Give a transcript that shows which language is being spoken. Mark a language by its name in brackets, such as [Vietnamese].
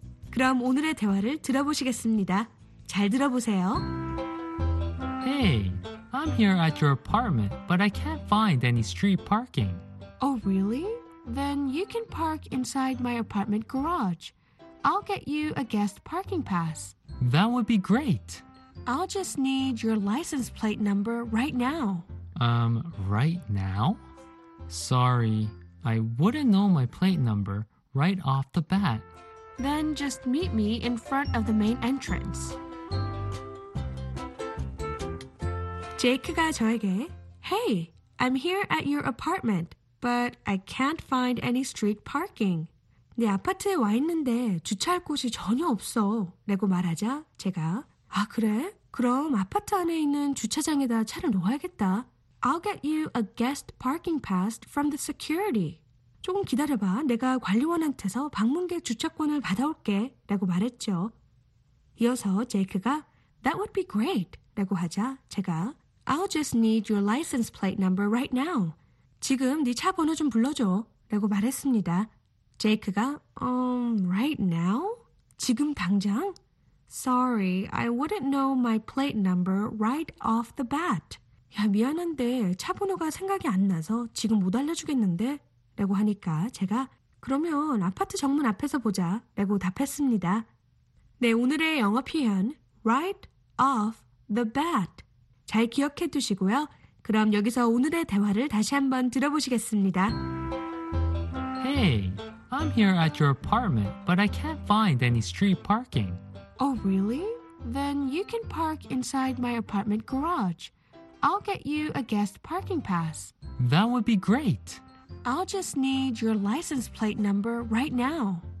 [Korean] 그럼 오늘의 대화를 들어보시겠습니다. 잘 들어보세요. [English] Hey, I'm here at your apartment, but I can't find any street parking. Oh, really? Then you can park inside my apartment garage. I'll get you a guest parking pass. That would be great. I'll just need your license plate number right now. Right now? Sorry, I wouldn't know my plate number right off the bat. Then just meet me in front of the main entrance. [Korean] 제이크가 저에게, [English] Hey, I'm here at your apartment, but I can't find any street parking. [Korean] 내 아파트에 와 있는데 주차할 곳이 전혀 없어. 라고 말하자 제가, 아, 그래? 그럼 아파트 안에 있는 주차장에다 차를 놓아야겠다. [English] I'll get you a guest parking pass from the security. [Korean] 조금 기다려봐. 내가 관리원한테서 방문객 주차권을 받아올게. 라고 말했죠. 이어서 제이크가 [English] That would be great. [Korean] 라고 하자 제가 [English] I'll just need your license plate number right now. [Korean] 지금 네 차 번호 좀 불러줘. 라고 말했습니다. 제이크가 [English] right now? [Korean] 지금 당장? [English] Sorry, I wouldn't know my plate number right off the bat. [Korean] 야, 미안한데 차 번호가 생각이 안 나서 지금 못 알려주겠는데? 라고 하니까 제가 그러면 아파트 정문 앞에서 보자 라고 답했습니다. 네, 오늘의 영어 표현 right off the bat 잘 기억해 두시고요. 그럼 여기서 오늘의 대화를 다시 한번 들어보시겠습니다. [English] Hey, I'm here at your apartment, but I can't find any street parking. Oh, really? Then you can park inside my apartment garage. I'll get you a guest parking pass. That would be great. I'll just need your license plate number right now.